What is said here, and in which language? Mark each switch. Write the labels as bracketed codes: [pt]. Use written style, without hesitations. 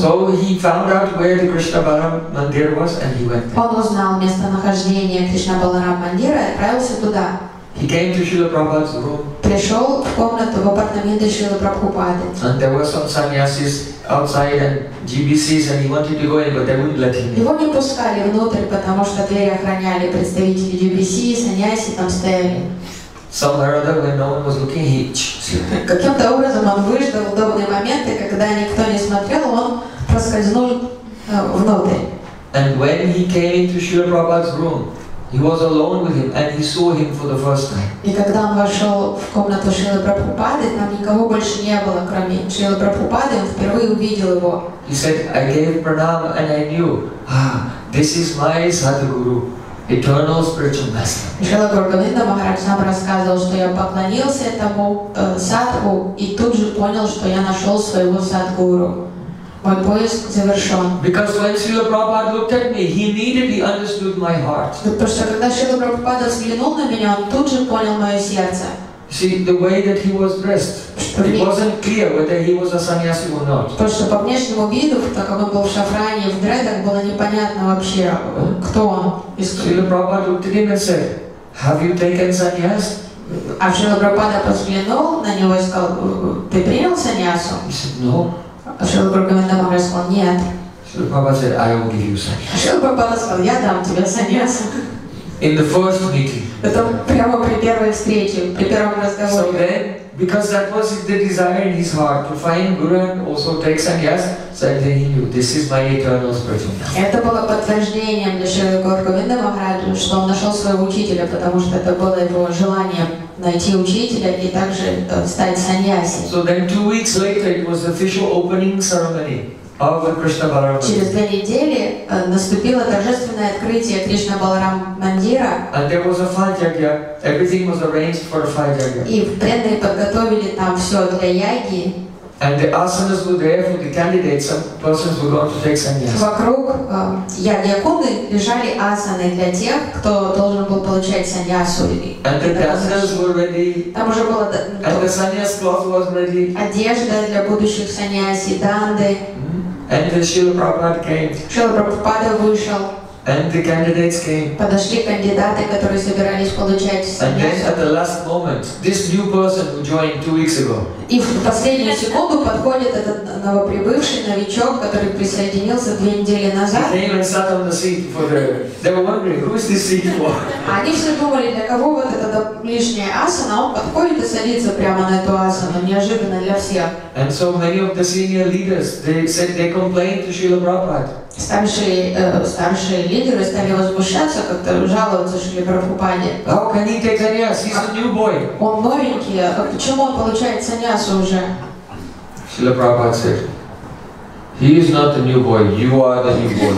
[en] So he found out where the Krishna Balaram Mandir was and he went there. [ru] Он узнал местонахождение Кришна Баларам Мандира и отправился туда. [en] He came to Srila Prabhupada's room. [ru] Пришел в комнату, в апартаменты Шрилы Прабхупады. [en] And there were some sannyasis outside and GBCs, and he wanted to go in, but they wouldn't let him. [ru] Его не пускали внутрь, потому что двери охраняли представители GBC, саньяси там стояли. [en] Somehow or other, when no one was looking, he [ru] каким-то образом он выждал удобные моменты, когда никто не смотрел, он проскользнул внутрь. [en] And when he came into Srila Prabhupada's room, he was alone with him, and he saw him for the first time. [ru] И когда он вошел в комнату Шрилы Прабхупады, там никого больше не было, кроме Шрилы Прабхупады, он впервые увидел его. [en] He said, "I gave pranam, and I knew, this is my sadhguru, eternal spiritual master." [ru] Шрила Говинда Махарадж нам рассказывал, что я поклонился этому садху и тут же понял, что я нашел своего садхгуру. Мой поиск завершен. [en] Because when Srila Prabhupada looked at me, he immediately understood my heart. [ru] Потому что когда Шрила Прабхупада взглянул на меня, он тут же понял мое сердце. [en] See, the way that he was dressed, it wasn't clear whether he was a sannyasi or not. [ru] Потому что по внешнему виду, так как он был в шафране, в дредах, было непонятно вообще, кто он. [en] Srila Prabhupada looked at him and said, "Have you taken sannyas?" [ru] А Шрила Прабхупада взглянул на него и сказал, "Ты принял сannyasу?" [en] He said, "No." [ru] А Шрила Прабхупада сказал, нет. [en] Шрила Прабхупада said, "I will give you sannyas." [ru] Шрила Прабхупада сказал, я дам тебе sannyas. [en] In the first meeting. [ru] Это прямо при первой встрече, при первом разговоре. [en] So then, because that was the desire in his heart to find Guru and also take sannyas, said he knew, this is my eternal spiritual master. [ru] Это было подтверждением для Шрилы Прабхупады Махараджа, что он нашел своего учителя, потому что это было его желанием найти учителя и также стать саньяси. [en] So then 2 weeks later it was the official opening ceremony of the Krishna Balaram. [ru] Через 2 недели наступило торжественное открытие Кришна Баларам Мандира. [en] And there was a фатьяга. Everything was arranged for a фатьяга. [ru] И преданные подготовили там все для яги. [en] And the asanas were there for the candidates. Some persons were going to take sannyas. [ru] Вокруг ягьякунды лежали асаны для тех, кто должен был получать саньясу. [en] And the dandanas were ready. [ru] Там уже было. [en] And the sannyas cloth was ready. [ru] Одежда для будущих саньяси, данды. [en] And the Srila Prabhupada came. [ru] Srila Prabhupada вышел. [en] And the candidates came. [ru] Подошли кандидаты, которые собирались получать саньясу. [en] And then at the last moment, this new person who joined 2 weeks ago. [ru] И в последнюю секунду подходит этот новоприбывший новичок, который присоединился 2 недели назад. [en] He came and sat on the seat for the. They were wondering who is this seat for. [ru] Они все думали, для кого вот эта лишняя асана? Он подходит и садится прямо на эту асану, неожиданно для всех. [en] And so many of the senior leaders, they said they complained to Srila Prabhupada. [ru] Старшие лидеры стали возмущаться, как-то жаловаться Шриле Прабхупаде. [en] How can he take sannyas? He's a new boy. [ru] Он новенький, а почему он получает саньясу уже? [en] Шриле Прабхупада said, "He is not a new boy, you are the new boy."